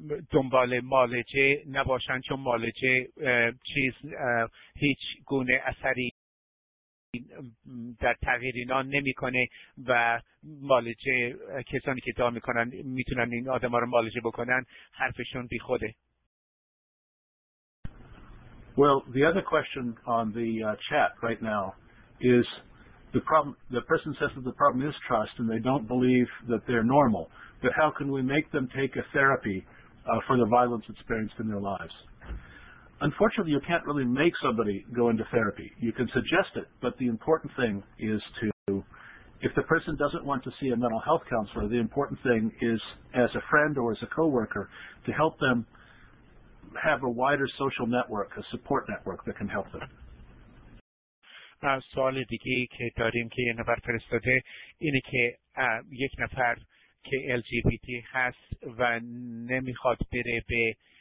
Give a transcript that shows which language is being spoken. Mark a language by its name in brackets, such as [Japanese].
[Persian] دنبال مالجه نباشن چون مالجه چیز هیچ گونه اثری در تغییر اینا نمی کنه و مالجه کسانی که ادعا می کنن می تونن این آدم ها رو مالجه بکنن حرفشون بی خوده. [English] Well, the other question on the chat right now is the problem. The person says that the problem is trust and they don't believe that they're normal. But how can we make them take a therapy for the violence experienced in their lives? Unfortunately, you can't really make somebody go into therapy. You can suggest it, but the important thing is to, if the person doesn't want to see a mental health counselor, the important thing is, as a friend or as a coworker, to help them have a wider social network, a support network that can help them. [Persian] سوال دیگه که داریم که یه نفر فرستاده اینه که یک نفر که LGBT هست و نمیخواد بره به